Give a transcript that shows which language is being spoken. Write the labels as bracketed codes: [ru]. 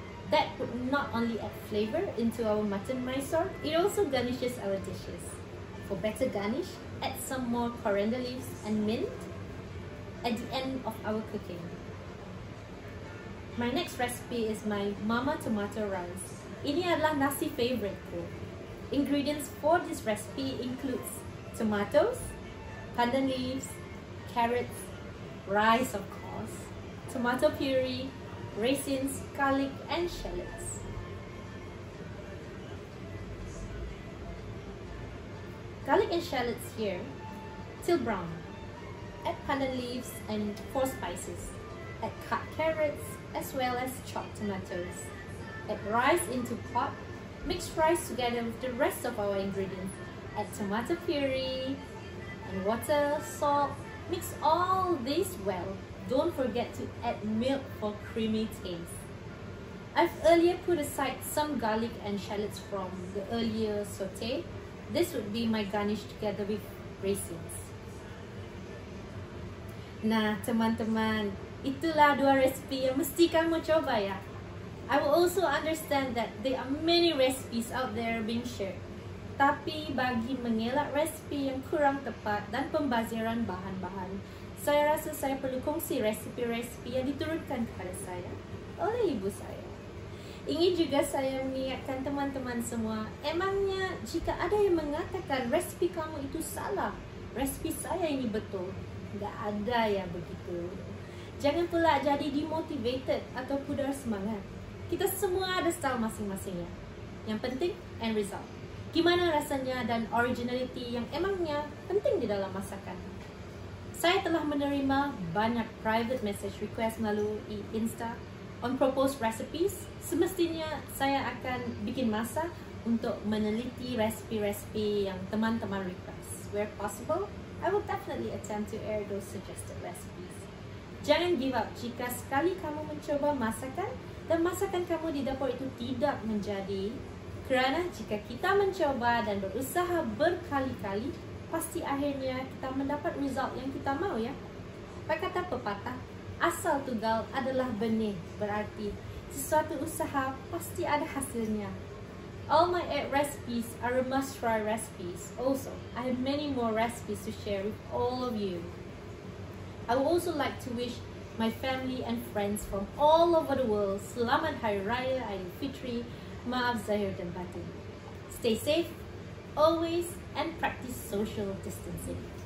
[en] That would not only add flavor into our Mutton Mysore, it also garnishes our dishes. For better garnish, add some more coriander leaves and mint at the end of our cooking. My next recipe is my Mama Tomato Rice. [ms] Ini adalah nasi favoriteku. [en] Ingredients for this recipe includes tomatoes, pandan leaves, carrots, rice of course, tomato puree, raisins, garlic and shallots. Garlic and shallots here till brown. Add pandan leaves and four spices. Add cut carrots, as well as chopped tomatoes. Add rice into pot. Mix rice together with the rest of our ingredients. Add tomato puree and water, salt. Mix all this well. Don't forget to add milk for creamy taste. I've earlier put aside some garlic and shallots from the earlier sauté. This would be my garnish together with raisins. [ms] Nah, teman-teman, itulah dua resipi yang mesti kamu coba ya. [en] I will also understand that there are many recipes out there being shared. [ms] Tapi bagi mengelak resipi yang kurang tepat dan pembaziran bahan-bahan, saya rasa saya perlu kongsi resipi-resipi yang diturunkan kepada saya oleh ibu saya. Ingin juga saya mengingatkan teman-teman semua, emangnya jika ada yang mengatakan resipi kamu itu salah, resipi saya ini betul, Tak ada yang begitu. Jangan pula jadi demotivated atau pudar semangat. Kita semua ada style masing-masingnya. Yang penting, end result. Gimana rasanya dan originality yang emangnya penting di dalam masakan. Saya telah menerima banyak private message request melalui Insta on proposed recipes. Semestinya saya akan bikin masak untuk meneliti resipi-resipi yang teman-teman request. [en] Where possible, I will definitely attempt to air those suggested recipes. [ms] Jangan give up jika sekali kamu mencuba masakan dan masakan kamu di dapur itu tidak menjadi. Kerana jika kita mencuba dan berusaha berkali-kali, pasti akhirnya kita mendapat result yang kita mahu, ya. Baik kata pepatah, asal tunggal adalah benih, berarti sesuatu usaha pasti ada hasilnya. [en] All my egg recipes are a must try recipes. Also, I have many more recipes to share with all of you. I would also like to wish my family and friends from all over the world Selamat Hari Raya, Aidil Fitri, Maaf Zahir dan Batin. Stay safe, always, and practice social distancing.